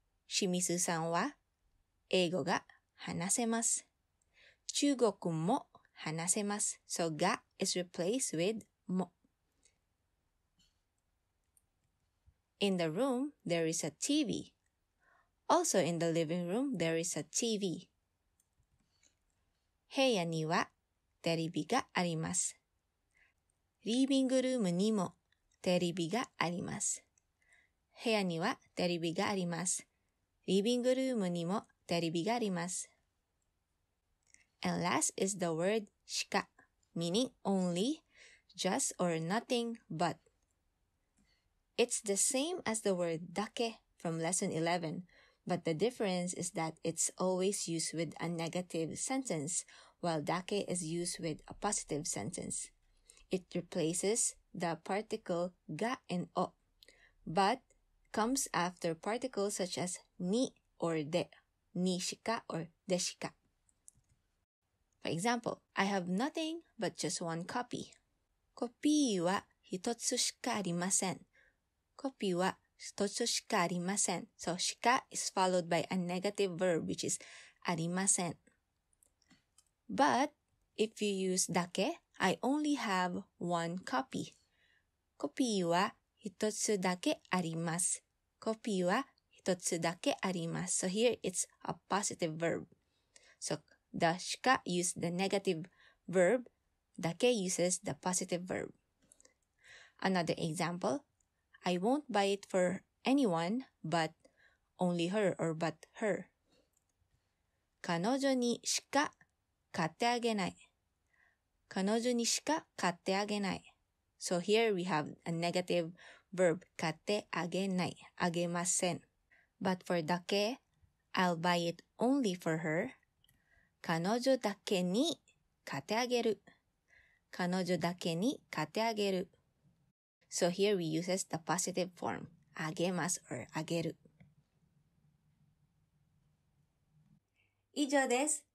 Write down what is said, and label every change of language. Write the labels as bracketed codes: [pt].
[ja] Shimizu さんは英語が話せます。中国も話せます。 [en] So, が is replaced with も。 In the room, there is a TV. Also in the living room, there is a TV. [ja] 部屋にはテレビがあります。リビングルームにもテレビがあります。部屋にはテレビがあります。リビングルームにもテレビがあります。 [en] And last is the word しか meaning only, just or nothing but. It's the same as the word だけ from lesson 11, but the difference is that it's always used with a negative sentence, while だけ is used with a positive sentence. It replaces the particle がんお, but comes after particles such as に or で, にしかor でしか。 For example, I have nothing but just one copy. [ja] コピーは一つしかありません。コピーは一つしかありません。 [en] So, しか is followed by a negative verb, which is ありません。 But, if you use だけ, I only have one copy. [ja] コピーは一つだけあります。コピーは一つだけあります。 [en] So, here it's a positive verb. So,だしか use the negative verb, だけ uses the positive verb. Another example, I won't buy it for anyone but only her or but her. [ja] 彼女にしか買ってあげない。彼女にしか買ってあげない。 [en] So here we have a negative verb, [ja] 買ってあげない、あげません。 [en] But for だけ, I'll buy it only for her. [ja] 彼女だけに買ってあげる。彼女だけに買ってあげる。 [en] So here we use the positive form, あげます or あげる。 [ja] 以上です。